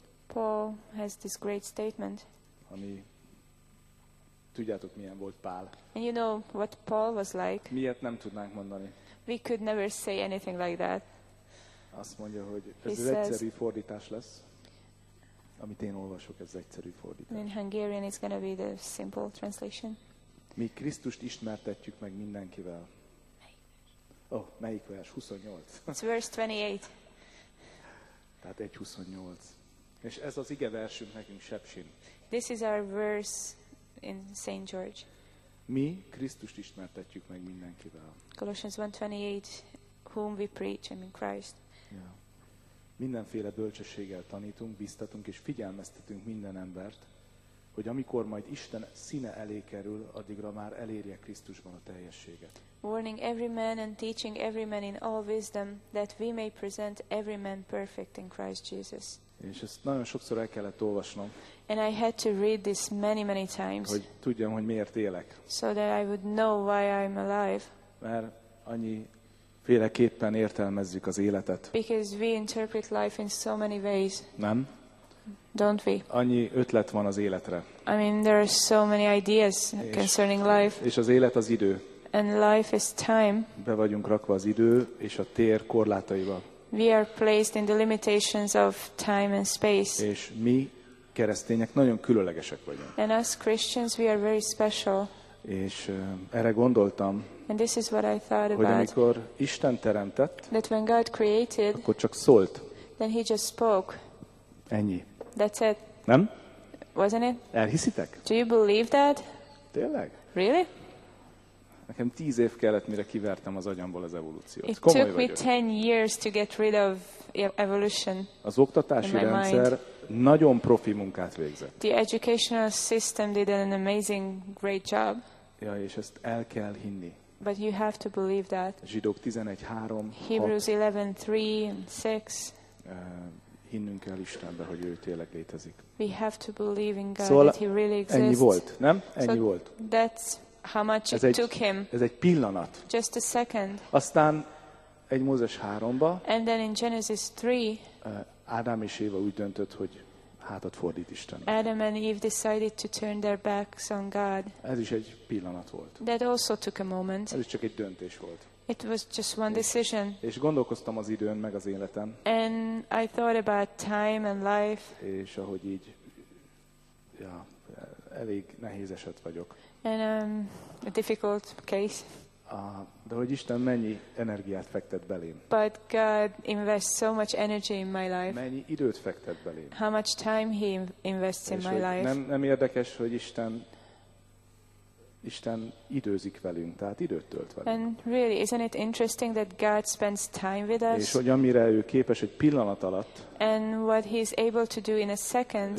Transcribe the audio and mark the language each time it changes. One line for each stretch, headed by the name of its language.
English: Paul has this great statement.
Hungarian: Ami Tudjátok, milyen volt Pál.
English: And you know what Paul was like.
Hungarian: Miért nem tudnánk mondani.
English: We could never say anything like that.
Hungarian: Azt mondja, hogy ez az egyszerű fordítás lesz. Amit én olvasok, ez egyszerű fordítás.
English: In Hungarian it's going to be the simple translation.
Hungarian: Mi Krisztust ismertetjük meg mindenkivel. Oh, melyik vers? 28.
English: It's verse 28.
Hungarian: Tehát 1:28. És ez az ige versünk nekünk Sepsin.
English: This is our verse in St. George.
Hungarian: Mi Krisztust ismertetjük meg mindenkivel.
English: Colossians 1:28, whom we preach, I mean Christ. Yeah.
Hungarian: Mindenféle bölcsességgel tanítunk, biztatunk és figyelmeztetünk minden embert, hogy amikor majd Isten színe elé kerül, addigra már elérje Krisztusban a teljességet.
English: Warning every man and teaching every man in all wisdom that we may present every man perfect in Christ Jesus.
Hungarian: És ezt nagyon sokszor el kellett olvasnom.
English: And I had to read this many, many times.
Hungarian: Hogy tudjam, hogy miért élek.
English: So that I would know why I'm alive.
Hungarian: Mert annyi féleképpen értelmezzük az életet.
English: Because we interpret life in so many ways.
Hungarian: Nem?
English: Don't we?
Hungarian: Annyi ötlet van az életre.
English: I mean, there are so many ideas concerning life.
Hungarian: És az élet az idő.
English: And life is time.
Hungarian: Be vagyunk rakva az idő és a tér korlátaival.
English: We are placed in the limitations of time and space.
Hungarian: És mi keresztények nagyon különlegesek vagyunk.
English: And us Christians, we are very special.
Hungarian: És erre gondoltam.
English: And this is what I thought about.
Hungarian: Hogy amikor Isten teremtett,
English: that when God created,
Hungarian: akkor csak szólt.
English: Then he just spoke.
Hungarian: Ennyi.
English: That's it.
Hungarian: Nem?
English: Wasn't it?
Hungarian: Elhiszitek?
English: Do you believe that?
Hungarian: Tényleg?
English: Really?
Hungarian: Nekem 10 év kellett, mire kivertem az agyamból az evolúciót.
English: It took me 10 years to get rid of evolution.
Hungarian: Az oktatási rendszer nagyon profi munkát végzett.
English: The educational system did an amazing, great job.
Hungarian: Ja, és ezt el kell hinni.
English: But you have to believe that.
Hungarian: Zsidók 11:3.
English: Hebrews 11:3-6.
Hungarian: Hinnünk kell Istenbe, hogy ő tényleg létezik.
English: We have to believe in God, that he really exists.
Hungarian: Ennyi volt, nem? Ennyi volt.
English: That's how much it took him.
Hungarian: Ez egy pillanat.
English: Just a second.
Hungarian: Aztán egy Mózes 3-ba.
English: And then in Genesis 3.
Hungarian: Ádám és Éva úgy döntött, hogy hátat fordít Istennek.
English: Adam and Eve decided to turn their backs on God.
Hungarian: Ez is egy pillanat volt.
English: That also took a moment.
Hungarian: Ez is csak egy döntés volt.
English: It was just one decision.
Hungarian: És gondolkoztam az időn meg az életen.
English: And I thought about time and life.
Hungarian: És ahogy így, ja, elég nehéz eset vagyok.
English: And a difficult case.
Hungarian: De hogy Isten mennyi energiát fektet belém.
English: But God invests so much energy in my life.
Hungarian: Mennyi időt fektet belém.
English: How much time he invests in my life.
Hungarian: Nem érdekes, hogy Isten időzik velünk, tehát időt tölt velünk.
English: And really, isn't it interesting that God spends time with us?
Hungarian: És hogy amire ő képes egy pillanat alatt.
English: And what he is able to do in a second.